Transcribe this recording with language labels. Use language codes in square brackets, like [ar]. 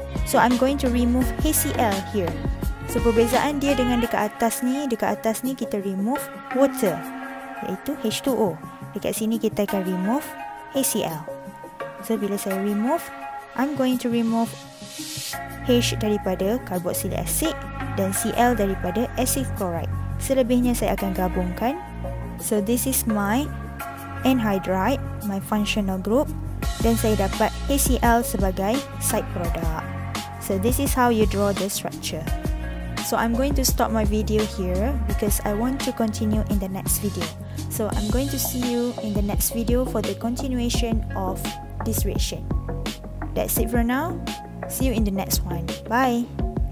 [en] So I'm going to remove HCl here. [ms] So perbezaan dia dengan dekat atas ni kita remove water iaitu H2O. Dekat sini kita akan remove HCl. So bila saya remove, [en] I'm going to remove H [ms] daripada carboxylic acid dan Cl daripada acid chloride. Selebihnya saya akan gabungkan. [en] So this is my anhydride, my functional group. [ms] Dan saya dapat HCl sebagai side product. [en] So this is how you draw the structure. So I'm going to stop my video here because I want to continue in the next video. So I'm going to see you in the next video for the continuation of this reaction. That's it for now. See you in the next one. Bye!